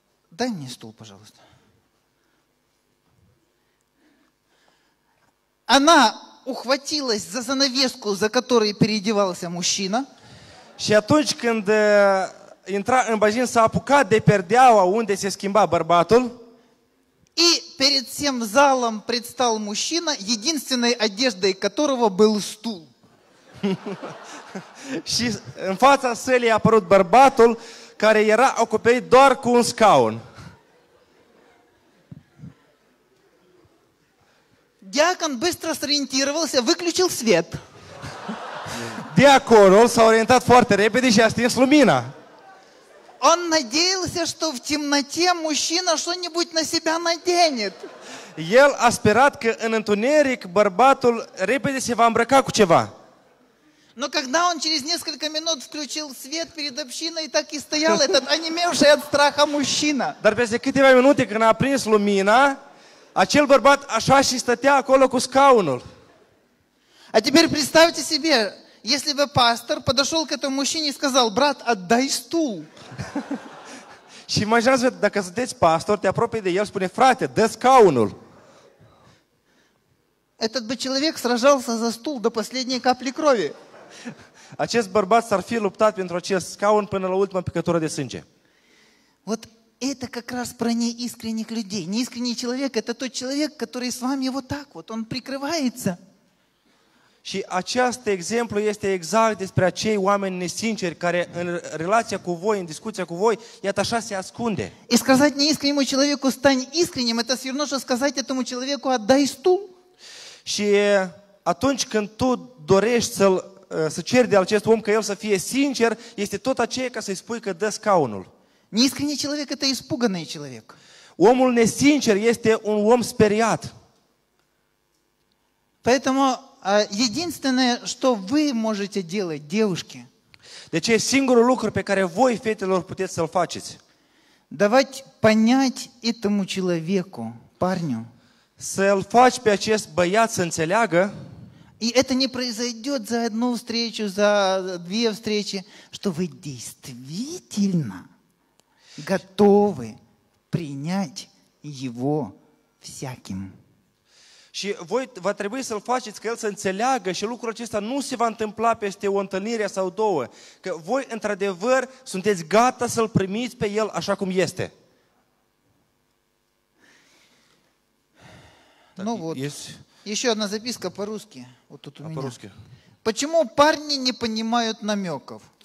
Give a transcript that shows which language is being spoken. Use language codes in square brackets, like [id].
[ru] Дай мне стул, пожалуйста. Она ухватилась за занавеску, за которой переодевался мужчина. [ro] Și atunci când intra în bazin, s-a apucat de perdeaua unde se schimba bărbatul. [ru] И перед всем залом предстал мужчина, единственной одеждой которого был стул. [ro] Și în fața sălii a apărut bărbatul, care era acoperit doar cu un scaun. [ru] Диакон быстро сориентировался, выключил свет. [ro] Diaconul s-a orientat foarte repede și a stins lumina. [ru] Он надеялся, что в темноте мужчина что-нибудь на себя наденет. [ro] El a sperat că în întuneric bărbatul repede se va îmbrăca cu ceva. [ru] Но когда он через несколько минут включил свет перед общиной, так и стоял этот онемевший от страха мужчина. [ro] Dar peste câteva minute când a aprins lumina, acel bărbat așa și stătea acolo cu scaunul. [ru] А теперь представьте себе, если бы пастор подошел к этому мужчине и сказал: брат, отдай стул. [ro] Și imaginați-vă, dacă sunteți pastor, te apropii de el, spune: frate, dă scaunul. [ru] Этот бы человек сражался за стул до последней капли крови. [ro] Acest bărbat s-ar fi luptat pentru acest scaun până la ultima picătură de sânge. [ru] Вот это как раз про неискренних людей. Неискренний человек — это тот человек, который с вами вот так вот, он прикрывается. [ro] Și acest exemplu este exact despre acei oameni nesinceri care în relația cu voi, în discuția cu voi, iată așa se ascunde. [ru] И сказать неискреннему человеку стань искренним — это все равно что сказать этому человеку отдай стул. [ro] Și atunci când tu dorești să ceri de acest om ca el să fie sincer, este tot aceea ca să-i spui că dă scaunul. [ru] Неискренний человек — это испуганный человек. [ro] Omul nesincer este un om speriat. [ru] Поэтому единственное, что вы можете делать, девушки, [ro] deci, singurul lucru pe care voi, fetelor, puteți să-l faceți, [ru] давать понять этому человеку, парню, [ro] să-l faci pe acest băiat să înțeleagă, [ru] и это не произойдет за одну встречу, за две встречи, что вы действительно готовы принять его всяким. [ro] Și voi va trebui să-l faceți ca el să înțeleagă și lucrul acesta nu se va întâmpla peste o întâlnire sau două, că voi într-adevăr sunteți gata să-l primiți pe el așa cum este. [ru] Ну вот. Ещё одна записка по-русски. Вот тут у меня. По-русски. Почему парни не понимают намёков?